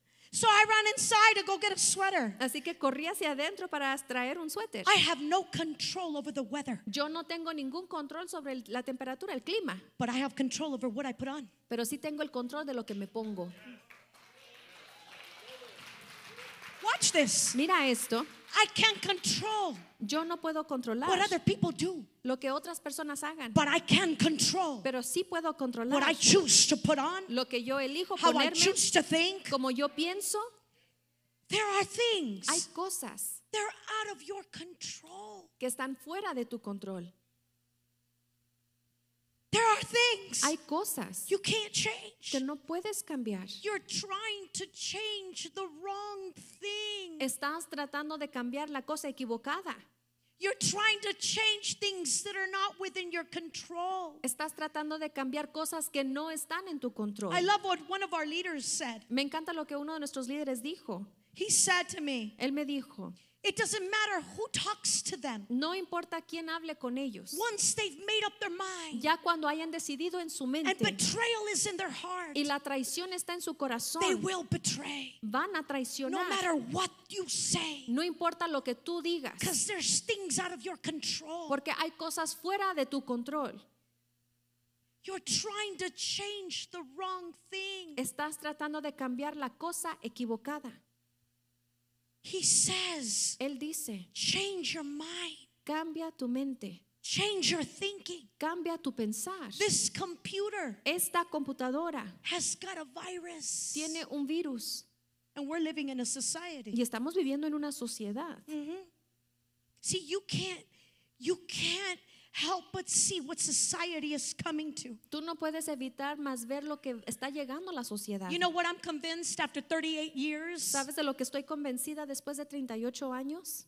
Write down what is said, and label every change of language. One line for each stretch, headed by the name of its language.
English: So I ran inside to go get a sweater.
Spanish: Así que corrí hacia adentro para traer un suéter.
English: I have no control over the weather.
Spanish: Yo no tengo ningún control sobre la temperatura, el clima.
English: But I have control over what I put on.
Spanish: Pero sí tengo el control de lo que me pongo.
English: Watch this.
Spanish: Mira esto.
English: I can't control.
Spanish: Yo no puedo controlar.
English: What other people do.
Spanish: Lo que otras personas hagan.
English: But I can control.
Spanish: Pero sí puedo controlar.
English: What I choose to put on.
Spanish: Lo que yo elijo
English: how
Spanish: ponerme.
English: How I choose to think.
Spanish: Como yo pienso.
English: There are things.
Spanish: Hay cosas.
English: They're out of your control.
Spanish: Que están fuera de tu control.
English: There are things.
Spanish: Hay cosas.
English: You can't change.
Spanish: Que no puedes cambiar.
English: You're trying to change the wrong thing.
Spanish: Estás tratando de cambiar la cosa equivocada.
English: You're trying to change things that are not within your control.
Spanish: Estás tratando de cambiar cosas que no están en tu control.
English: I love what one of our leaders said.
Spanish: Me encanta lo que uno de nuestros líderes dijo.
English: He said to me.
Spanish: Él me dijo.
English: It doesn't matter who talks to them.
Spanish: No importa quién hable con ellos.
English: Once they've made up their mind.
Spanish: Ya cuando hayan decidido en su mente.
English: And betrayal is in their heart.
Spanish: Y la traición está en su corazón.
English: They will betray.
Spanish: Van a traicionar.
English: No matter what you say.
Spanish: No importa lo que tú digas.
English: Because there's things out of your control.
Spanish: Porque hay cosas fuera de tu control.
English: You're trying to change the wrong thing.
Spanish: Estás tratando de cambiar la cosa equivocada.
English: He says,
Spanish: él dice,
English: change your mind.
Spanish: Cambia tu mente.
English: Change your thinking.
Spanish: Cambia tu pensar.
English: This computer,
Spanish: esta computadora,
English: has got a virus.
Spanish: Tiene un virus.
English: And we're living in a society.
Spanish: Y estamos viviendo en una sociedad. Mm-hmm.
English: See, you can't help but see what society is coming to.
Spanish: Tú no puedes evitar más ver lo que está llegando a la sociedad.
English: You know what I'm convinced after 38 years?
Spanish: ¿Sabes de lo que estoy convencida después de 38 años?